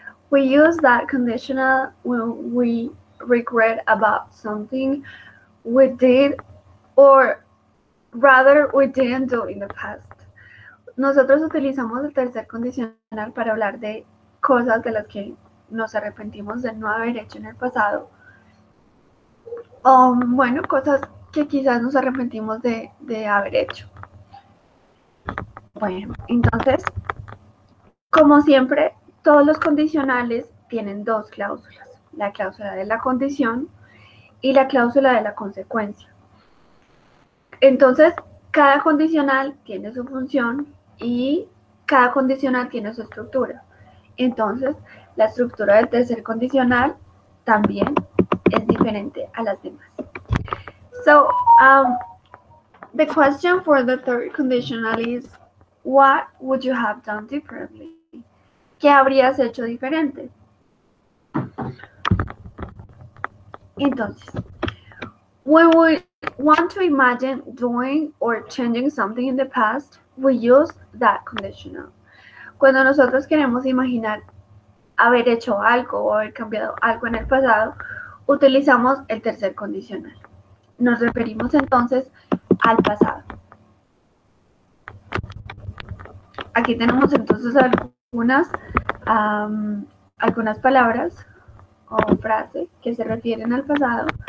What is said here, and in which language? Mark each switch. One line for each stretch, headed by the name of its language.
English: We use that conditional when we regret about something we did, or rather we didn't do in the past.
Spanish: Nosotros utilizamos el tercer condicional para hablar de cosas de las que nos arrepentimos de no haber hecho en el pasado. Bueno, cosas que quizás nos arrepentimos de haber hecho. Bueno, entonces, como siempre, todos los condicionales tienen dos cláusulas, la cláusula de la condición y la cláusula de la consecuencia. Entonces, cada condicional tiene su función y cada condicional tiene su estructura. Entonces, la estructura del tercer condicional también es diferente a las demás.
English: So, the question for the third conditional is, what would you have done differently?
Spanish: ¿Qué habrías hecho diferente?
English: Entonces, we would want to imagine doing or changing something in the past, we use that conditional.
Spanish: Cuando nosotros queremos imaginar haber hecho algo o haber cambiado algo en el pasado, utilizamos el tercer condicional. Nos referimos entonces al pasado. Aquí tenemos entonces algunas palabras o frases que se refieren al pasado.